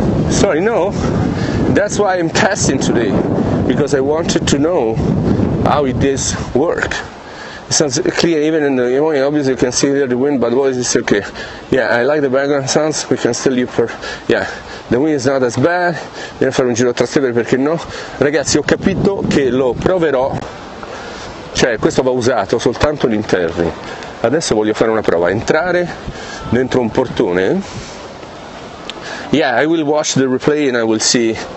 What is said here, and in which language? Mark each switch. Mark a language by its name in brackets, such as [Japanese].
[English] Sorry, no. That's why I'm testing today. Because I wanted to know how it does work. It sounds clear even in the morning. Obviously you can see here the wind, but voice is okay. Yeah, I like the background sounds, we can still use for, yeah, the wind is not as bad. [Italian] Devo fare un giro a trastevere, perché no? Ragazzi, ho capito che lo proverò, cioè questo va usato soltanto in interni. Adesso voglio fare una prova, entrare dentro un portone. [English] Yeah, I will watch the replay and I will see.